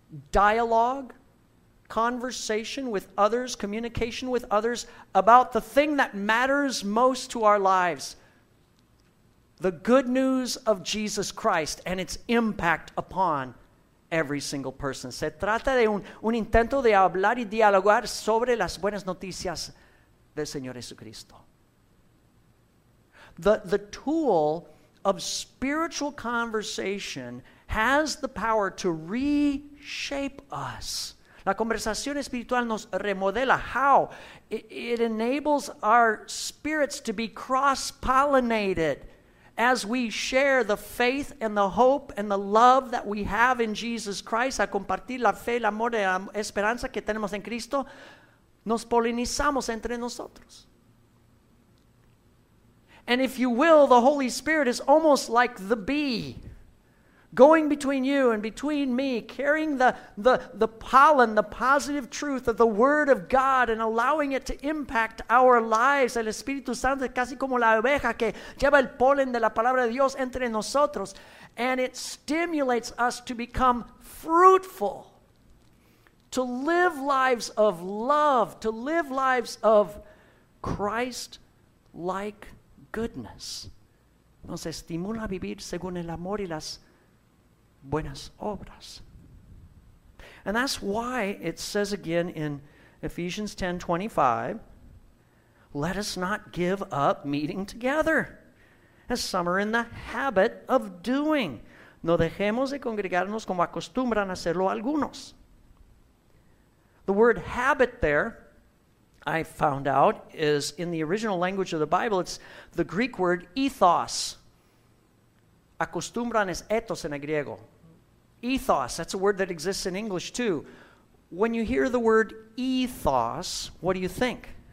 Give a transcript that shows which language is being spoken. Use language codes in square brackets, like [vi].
[en] dialogue, conversation with others, communication with others about the thing that matters most to our lives, the good news of Jesus Christ and its impact upon every single person. [es] Se trata de un intento de hablar y dialogar sobre las buenas noticias del Señor Jesucristo. [en] The tool of spiritual conversation has the power to reshape us. [es] La conversación espiritual nos remodela. [en] How? It enables our spirits to be cross-pollinated as we share the faith and the hope and the love that we have in Jesus Christ. [es] A compartir la fe, el amor y la esperanza que tenemos en Cristo, nos polinizamos entre nosotros. [en] And if you will, the Holy Spirit is almost like the bee, going between you and between me, carrying the pollen, the positive truth of the Word of God, and allowing it to impact our lives. [es] El Espíritu Santo es casi como la oveja que lleva el polen de la palabra de Dios entre nosotros. [en] And it stimulates us to become fruitful, to live lives of love, to live lives of Christ-like goodness. [es] Nos estimula a vivir según el amor y las buenas obras. [en] And that's why it says again in Ephesians 10:25, let us not give up meeting together, as some are in the habit of doing. [es] No dejemos de congregarnos como acostumbran hacerlo algunos. [en] The word habit there, I found out, is in the original language of the Bible, it's the Greek word ethos. [es] Acostumbran es ethos en el griego. [en] Ethos, that's a word that exists in English too. When you hear the word ethos, what do you think?